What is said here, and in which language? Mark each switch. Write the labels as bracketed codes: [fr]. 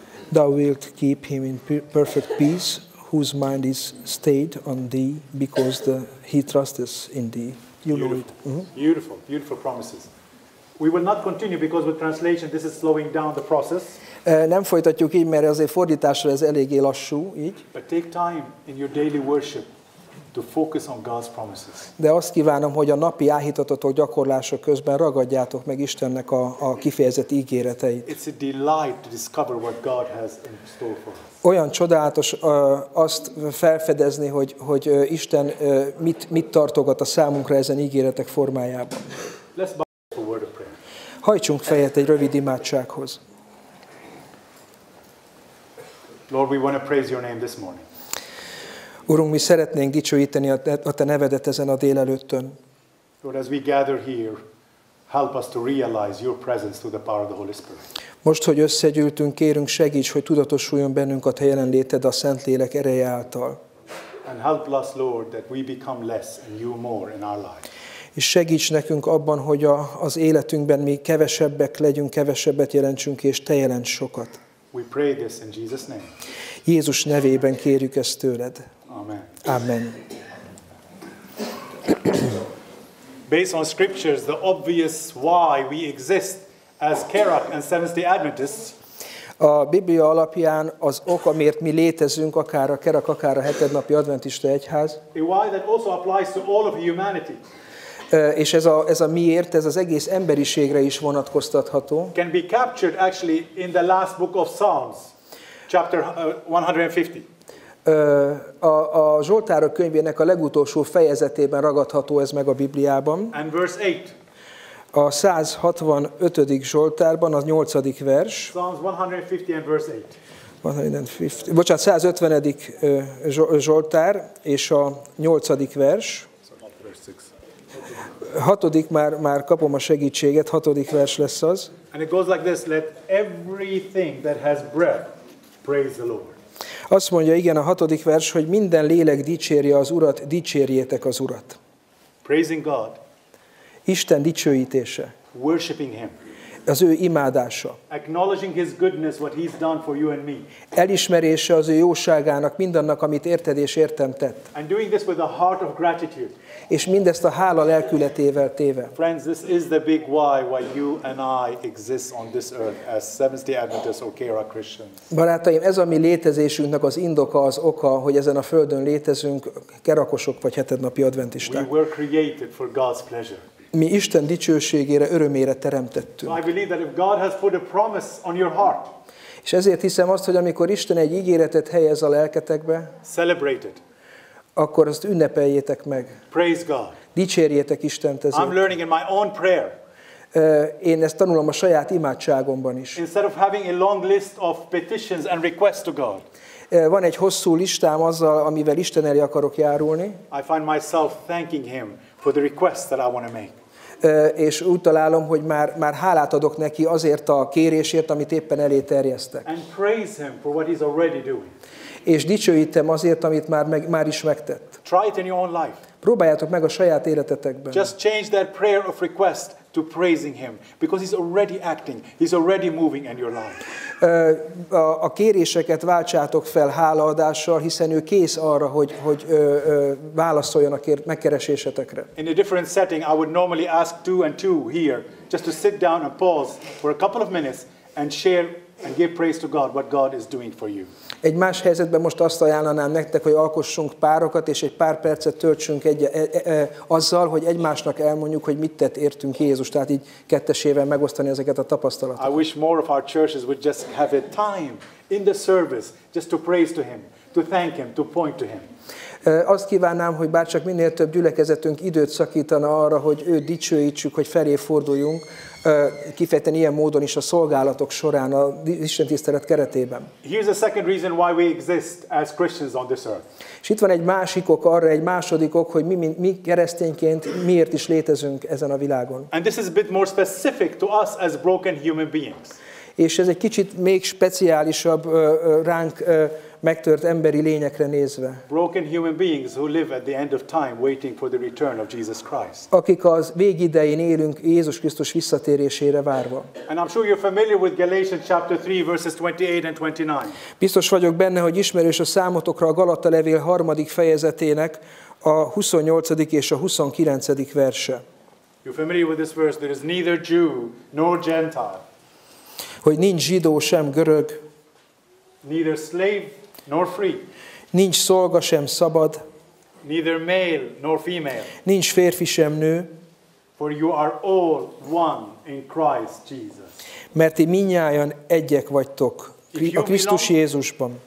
[en] Thou wilt keep him in perfect peace, whose mind is stayed on thee, because he trusteth in thee. You know it. Mm-hmm. Beautiful, beautiful promises. We will not continue because with translation this is slowing down the process. [hu] Nem folytatjuk így, mert azért fordításra ez eléggé lassú, így. [en] But take time in your daily worship to focus on God's promises. [hu] De azt kívánom, hogy a napi áhítatotok gyakorlása közben ragadjátok meg Istennek a kifejezett ígéreteit. [en] It's a delight to discover what God has in store for us. [hu] Olyan csodálatos azt felfedezni, hogy Isten mit tartogat a számunkra ezen ígéretek formájában. [en] Let's bow for a word of prayer. [hu] Hajtsunk fejet egy rövid imádsághoz. [en] Lord, we want to praise your name this morning. [hu] Urunk, mi szeretnénk dicsőíteni a te nevedet ezen a délelőttön. [en] Lord, as we gather here, help us to realize your presence through the power of the Holy Spirit. [hu] Most, hogy összegyűltünk, kérünk, segíts, hogy tudatosuljon bennünk a te jelenléted a Szentlélek ereje által. [en] And help us, Lord, that we become less and you more in our lives. [hu] És segíts nekünk abban, hogy az életünkben mi kevesebbek legyünk, kevesebbet jelentsünk, és te jelents sokat. [en] We pray this in Jesus' name. [hu] Jézus nevében kérjük ezt tőled. Amen. Amen. [en] Based on scriptures, the obvious why we exist as Kerak and Seventh-day Adventists. [hu] A Biblia alapján az ok, amiért mi létezünk, akár a Kerak, akár a hetednapi adventista egyház. [en] A why that also applies to all of humanity. [hu] És ez a miért, ez az egész emberiségre is vonatkoztatható. [en] Can be captured actually in the last book of Psalms, chapter 150. [hu] A Zsoltárok könyvének a legutolsó fejezetében ragadható ez meg a Bibliában. [en] And verse 8. [hu] A 165. Zsoltárban, a 8. vers. [en] Psalms 150 and verse [hu] 8. Bocsánat, 150. Zsoltár és a 8. vers. 6. már kapom a segítséget, 6. vers lesz az. [en] And it goes like this, let everything that has breath praise the Lord. [hu] Azt mondja, igen, a 6. vers, hogy minden lélek dicsérje az Urat, dicsérjétek az Urat. [en] Praising God. [hu] Isten dicsőítése. [en] Worshiping him. [hu] Az ő imádása. [en] Acknowledging his goodness, what he's done for you and me. [hu] Elismerése az ő jóságának, mindannak, amit érted és értem tett. [en] And doing this with a heart of gratitude. [hu] És mindezt a hála lelkületével téve. [en] Friends, this is the big why you and I exist on this earth as Seventh-day Adventists or Kera Christians. [hu] Barátaim, ez a mi létezésünknek az indoka, az oka, hogy ezen a földön létezünk, kerakosok vagy hetednapi adventisták. [en] We were created for God's pleasure. [hu] Mi Isten dicsőségére, örömére teremtettünk. [en] So I believe that if God has put a promise on your heart, [hu] és ezért hiszem azt, hogy amikor Isten egy ígéretet helyez a lelketekbe, [en] celebrate it. [hu] Akkor azt ünnepeljétek meg. [en] Praise God. [hu] Dicsérjétek Istent ezért. [en] I'm learning in my own prayer. [hu] Én ezt tanulom a saját imádságomban is. [en] Instead of having a long list of petitions and requests to God. [hu] Van egy hosszú listám azzal, amivel Isten elé akarok járulni. [en] I find myself thanking him for the requests that I want to make. [hu] és úgy találom, hogy már hálát adok neki azért a kérésért, amit éppen elé terjesztek. [en] And praise him for what he's already doing. [hu] És dicsőítem azért, amit már is megtett. [en] Try it in your own life. [hu] Próbáljátok meg a saját életetekben. [en] Just change that prayer of request to praising him, because he's already acting, he's already moving in your life. [hu] A kéréseket váltsátok fel hálaadással, hiszen ő kész arra, hogy válaszoljon a megkeresésetekre. [en] In a different setting, I would normally ask two and two here, just to sit down and pause for a couple of minutes and share and give praise to God what God is doing for you. [hu] Egy más helyzetben most azt ajánlanám nektek, hogy alkossunk párokat, és egy pár percet töltsünk azzal, hogy egymásnak elmondjuk, hogy mit tett értünk Jézus. Tehát így kettesével megosztani ezeket a tapasztalatokat. [en] I wish more of our churches would just have a time in the service just to praise to him, to thank him, to point to him. [hu] Azt kívánnám, hogy bárcsak minél több gyülekezetünk időt szakítana arra, hogy őt dicsőítsük, hogy felé forduljunk, kifejten ilyen módon is a szolgálatok során, a istentisztelet keretében. [en] Here's a second reason why we exist as Christians on this earth. [hu] És itt van egy másik ok arra, egy második ok, hogy mi keresztényként miért is létezünk ezen a világon. [en] And this is a bit more specific to us as broken human beings. [hu] És ez egy kicsit még speciálisabb ránk megtört emberi lényekre nézve. [en] Broken human beings who live at the end of time waiting for the return of Jesus Christ. [hu] Akik az végidején élünk Jézus Krisztus visszatérésére várva. [en] And I'm sure you're familiar with Galatians chapter 3 verses 28 and 29. [hu] Biztos vagyok benne, hogy ismerős a számotokra a Galata levél harmadik fejezetének a 28. és a 29. verse. [en] You're familiar with this verse, there is neither Jew nor Gentile. [hu] Hogy nincs zsidó sem görög. [en] Neither slave nor free. [hu] Nincs szolga sem szabad. [en] Neither male nor female. [hu] Nincs férfi sem nő. [en] For you are all one in Christ Jesus. [hu] Mert ti mindnyájan egyek vagytok a Krisztus Jézusban.